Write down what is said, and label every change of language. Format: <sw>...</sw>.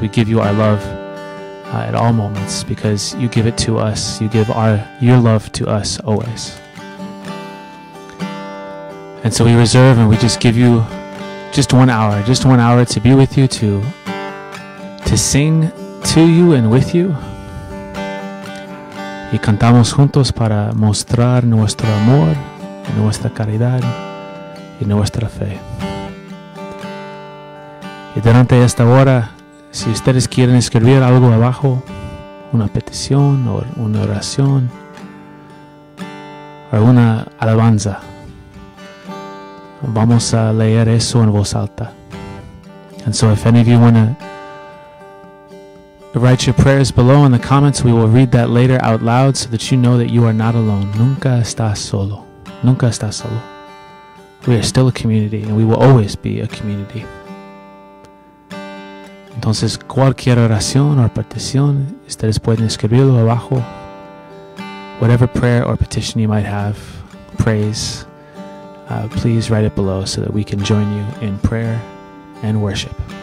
<en>We give you our love at all moments because you give it to us, you give your love to us always. And so we reserve and we just give you just 1 hour to be with you, to sing to you and with you.</en> <es>Y cantamos juntos para mostrar nuestro amor, nuestra caridad y nuestra fe. Y durante esta hora, si ustedes quieren escribir algo abajo, una petición o una oración o una alabanza, vamos a leer eso en voz alta.</es> <en>And so if any of you want to write your prayers below in the comments, we will read that later out loud so that you know that you are not alone.</en> <es>Nunca estás solo. Nunca estás solo.</es> <en>We are still a community and we will always be a community.</en> <es>Entonces, cualquier oración o petición, ustedes pueden escribirlo abajo.</es> <en>Whatever prayer or petition you might have, praise, please write it below so that we can join you in prayer and worship.</en>